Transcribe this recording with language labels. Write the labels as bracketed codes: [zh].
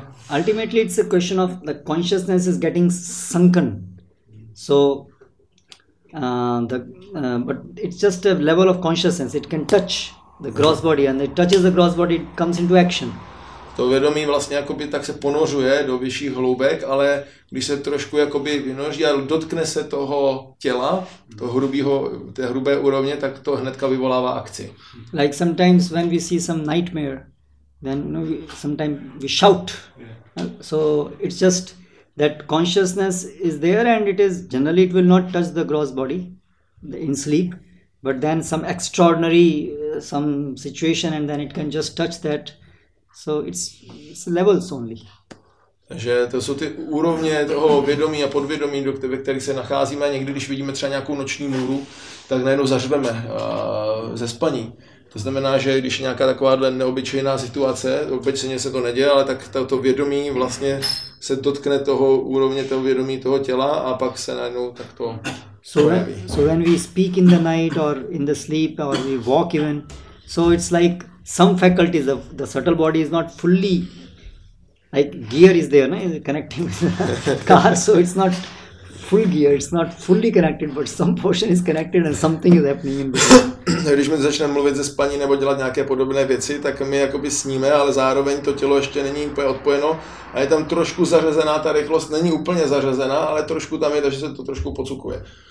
[en] Ultimately it's a question of the consciousness is getting sunken. So but it's just a level of consciousness, it can touch the gross body and it touches the gross body, it comes into action. [cs] To vědomí vlastně jakoby tak se ponořuje do vyšších hloubek, ale když se trošku jakoby vynoří a dotkne se toho těla, toho hrubého, té hrubé úrovně, tak to hnedka vyvolává akci. [en] Like sometimes when we see some nightmare, then you know, sometimes we shout. So it's just that consciousness is there and it is generally it will not touch the gross body in sleep, but then some extraordinary some situation and then it can just touch that. So it's levels only. [cs] Takže to jsou ty úrovně toho vědomí a podvědomí, ve kterých se nacházíme. Někdy, když vidíme třeba nějakou noční můru, tak najednou zařveme ze spaní. To znamená, že když nějaká takováhle neobyčejná situace, obyčejně se to neděje, ale tak to vědomí vlastně se dotkne toho úrovně toho vědomí toho těla a pak se najednou tak to projeví. [en] So when we speak in the night or in the sleep or we walk even, so it's like some faculties of the subtle body is not fully, like gear is there, no? Is connecting with the car, so it's not full gear, it's not fully connected, but some portion is connected and something is happening in between. [cs] Když my začneme mluvit ze spaní nebo dělat nějaké podobné věci, tak my jakoby sníme, ale zároveň to tělo ještě není úplně odpojeno a je tam trošku zařazená, ta rychlost není úplně zařazená, ale trošku tam je, takže se to trošku pocukuje.